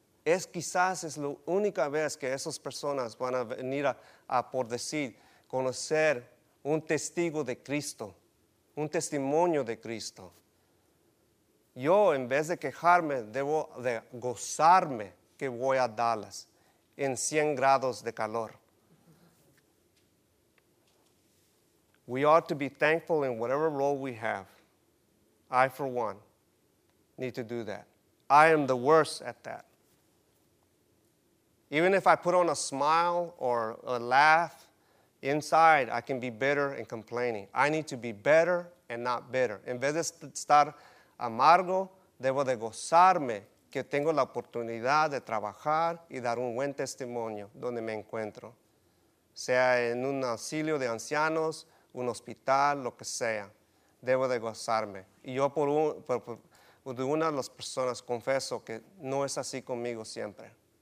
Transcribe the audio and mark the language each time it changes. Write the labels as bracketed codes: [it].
[es] Es quizás es la única vez que esas personas van a venir a por decir, conocer un testigo de Cristo. un testimonio de Cristo. Yo, en vez de quejarme, debo de gozarme que voy a Dallas en 100 grados de calor. [en] We ought to be thankful in whatever role we have. I, for one, need to do that. I am the worst at that. Even if I put on a smile or a laugh, inside I can be bitter and complaining. I need to be better and not bitter. [es] En vez de estar amargo, debo de gozarme que tengo la oportunidad de trabajar y dar un buen testimonio donde me encuentro. Sea en un asilo de ancianos, un hospital, lo que sea. Debo de gozarme. Y yo por una de las personas confieso que no es así conmigo siempre.